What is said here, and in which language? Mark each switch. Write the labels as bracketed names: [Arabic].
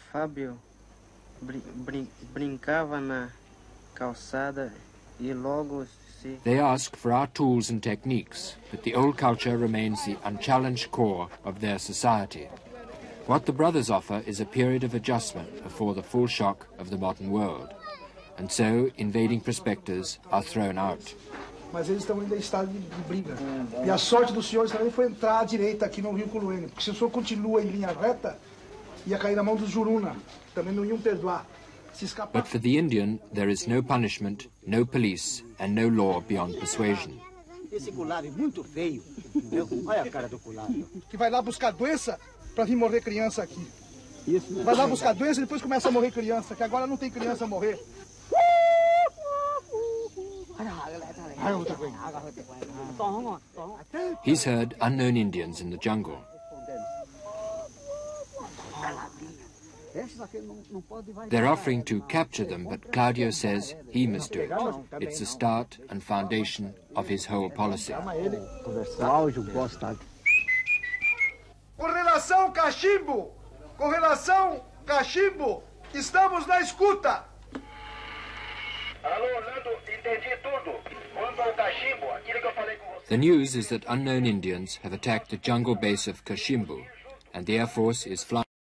[Portuguese] Fabio brincava na calçada e logo se... [English] They ask for our tools and techniques, but the old culture remains the unchallenged core of their society. What the brothers offer is a period of adjustment before the full shock of the modern world. And so, invading prospectors are thrown out. [Portuguese] Mas eles estão ainda em estado de briga. E a sorte dos senhores também foi entrar à direita aqui no Rio Colueno. Porque se o senhor continua em linha reta, ia cair na mão dos Juruna. Também não iam perdoar. Se escapar... [English] But for the Indian, there is no punishment, no police, and no law beyond persuasion. [Portuguese] Esse culado é muito feio. Olha a cara do culado. Que vai lá buscar doença para vir morrer criança aqui. Vai lá buscar doença e depois começa a morrer criança. Que agora não tem criança a morrer. [English] He's heard unknown Indians in the jungle. They're offering to capture them, but Claudio says he must do it. It's the start and foundation of his whole policy. [Portuguese] Correlação cachimbo! Correlação cachimbo! Estamos na escuta! Alô, Orlando, entendi tudo. Quanto ao cachimbo, aquilo que eu falei com você. [English] The news is that unknown Indians have attacked the jungle base of Cachimbo, and the Air Force is flying.